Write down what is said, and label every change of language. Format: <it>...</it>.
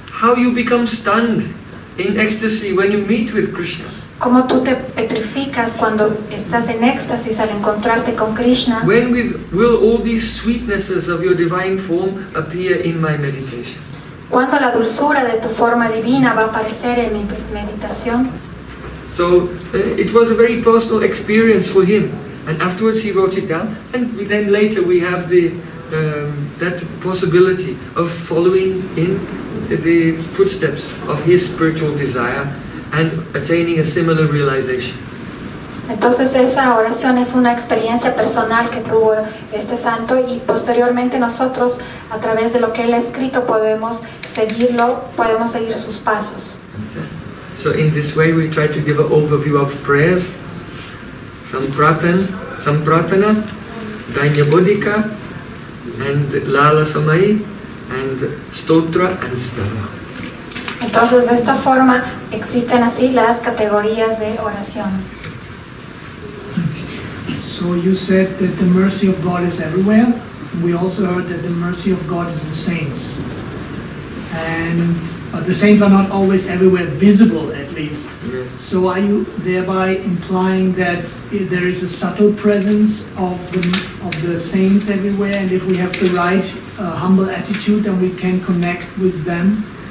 <en>How you become stunned in ecstasy when you meet with Krishna.</en> <es>Cómo tú te petrificas cuando estás en éxtasis al encontrarte con Krishna.</es> <en>When will all these sweetnesses of your divine form appear in my meditation?</en> <es>¿Cuándo la dulzura de tu forma divina va a aparecer en mi meditación?</es> <en>So it was a very personal experience for him, and afterwards he wrote it down, and then later we have the that possibility of following in the footsteps of his spiritual desire and attaining a similar realization.</en> <es>Entonces esa oración es una experiencia personal que tuvo este santo, y posteriormente nosotros, a través de lo que él ha escrito, podemos seguir sus pasos.</es> <en>So in this way we try to give an overview of prayers, Sampratana, Danya Bodhika, and Lala Samai, and stotra and stana.</en> <es>Entonces, de esta forma existen así las categorías de oración.</es> <en>So you said that the mercy of God is everywhere. We also heard that the mercy of God is the saints. And the saints are not always everywhere visible, at least. Yes. So are you thereby implying that there is a subtle presence of the saints everywhere, and if we have the right humble attitude, then we can connect with them?</en>